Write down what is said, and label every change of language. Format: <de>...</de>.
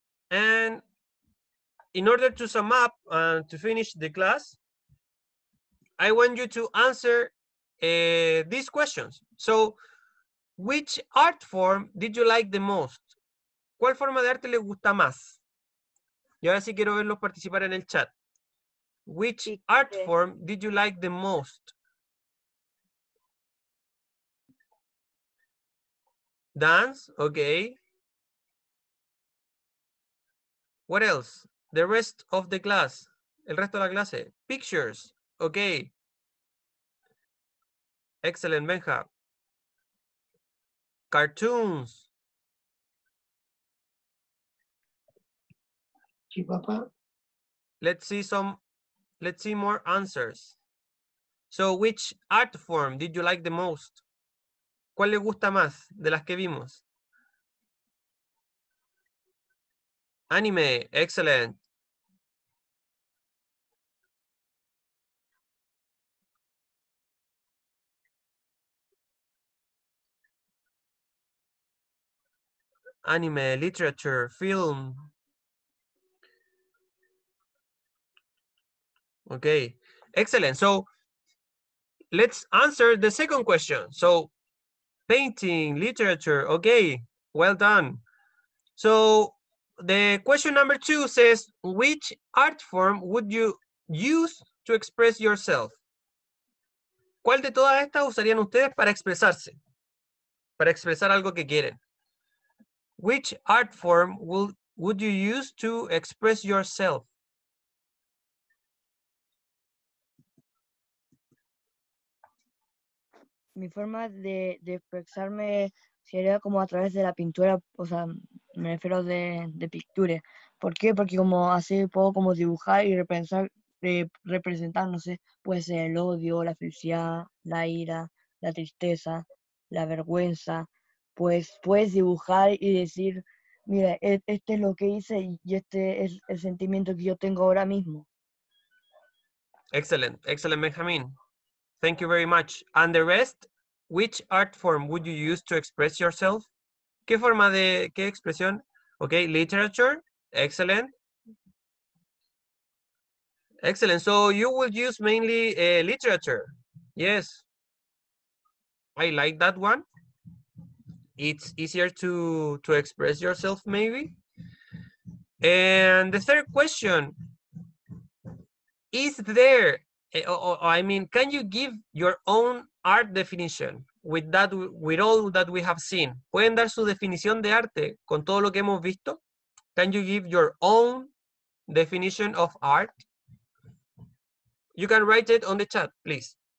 <en>And in order to sum up and to finish the class, I want you to answer these questions. So, which art form did you like the most?</en> <es>¿Cuál forma de arte le gusta más? Y ahora sí quiero verlos participar en el chat.</es> <en>Which art form did you like the most? Dance, okay. What else? The rest of the class.</en> <es>El resto de la clase.</es> <en>Pictures, okay. Excellent, Benja. Cartoons.</en> <es>Sí, papá.</es> <en>Let's see more answers. So, which art form did you like the most?</en> <es>¿Cuál le gusta más de las que vimos?</es> <en>Anime, excellent. Anime, literature, film. Okay, excellent. So let's answer the second question. So painting, literature, okay, well done. So the question number two says, which art form would you use to express yourself?</en> <es>¿Cuál de todas estas usarían ustedes para expresarse? Para expresar algo que quieren.</es> <en>Which art form would you use to express yourself?</en> <es>Mi forma de expresarme sería como a través de la pintura, o sea, me refiero de pintura. ¿Por qué? Porque como así puedo como dibujar y representar, no sé, pues el odio, la felicidad, la ira, la tristeza, la vergüenza. Pues puedes dibujar y decir, mira, este es lo que hice y este es el sentimiento que yo tengo ahora mismo.</es> <en>Excellent, excellent, Benjamin. Thank you very much. And the rest, which art form would you use to express yourself?</en> <es>¿Qué forma de, qué expresión?</es> <en>Okay, literature, excellent. Excellent, so you will use mainly literature. Yes, I like that one. It's easier to express yourself, maybe. And the third question, is there, can you give your own art definition with that, with all that we have seen?</en> <es>¿Pueden dar su definición de arte con todo lo que hemos visto?</es> <en>Can you give your own definition of art? You can write it on the chat, please.</en>